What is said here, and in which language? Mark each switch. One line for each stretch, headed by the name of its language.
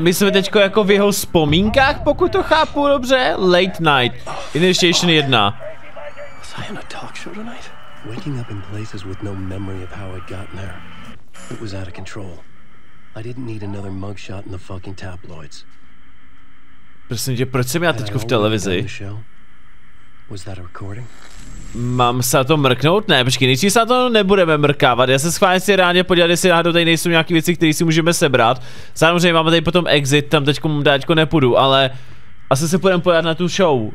Czech: My jsme teďko jako v jeho vzpomínkách, pokud to chápu dobře?
English: Late night. Initiation 1. Was I on a talk show tonight? Waking up in places with no memory of how I'd gotten there. It was out of control. I didn't need another mugshot in the fucking tabloids.
Czech: Prosím tě, proč jsem já teďko v televizi?
English: Was that a recording?
Czech: Mám se na to mrknout? Ne, počkej, nejčím se na to nebudeme mrkávat. Já se schválně si reálně podívat, jestli náhodou tady nejsou nějaké věci, které si můžeme sebrat. Samozřejmě máme tady potom exit, tam teďko dáčko nepůjdu, ale asi se půjdeme podívat na tu show.